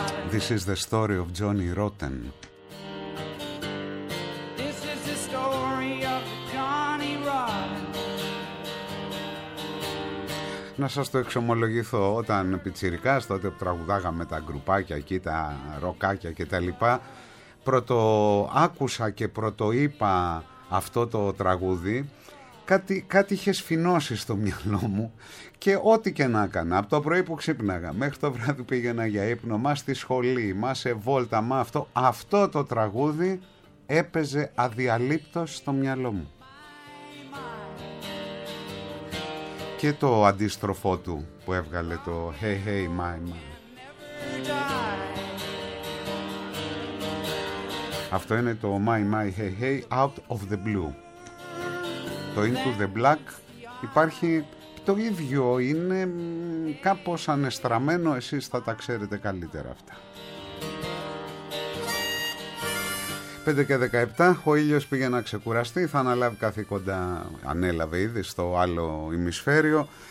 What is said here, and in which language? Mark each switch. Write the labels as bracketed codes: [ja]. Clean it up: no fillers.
[en] This is the story of Johnny Rotten. This is the story of Johnny Rotten. [el] Να σας το εξομολογηθώ, όταν πιτσιρικάς, τότε που τραγουδάγαμε τα γκρουπάκια εκεί, τα ροκάκια και τα λοιπά, πρώτο άκουσα και πρώτο είπα αυτό το τραγούδι, κάτι είχε σφινώσει στο μυαλό μου, και ό,τι και να έκανα, από το πρωί που ξύπναγα μέχρι το βράδυ πήγαινα για ύπνο, μα στη σχολή, μα σε βόλτα, μα αυτό, αυτό το τραγούδι έπαιζε αδιαλείπτως στο μυαλό μου. Και το αντίστροφο του που έβγαλε το «Hey, hey, my, my». Αυτό είναι το «My, my, hey, hey, out of the blue». Το «Into the black» υπάρχει, το ίδιο είναι κάπως ανεστραμμένο, εσείς θα τα ξέρετε καλύτερα αυτά. 5 και 17, ο ήλιος πήγε να ξεκουραστεί, θα αναλάβει καθήκοντα, ανέλαβε ήδη στο άλλο ημισφαίριο.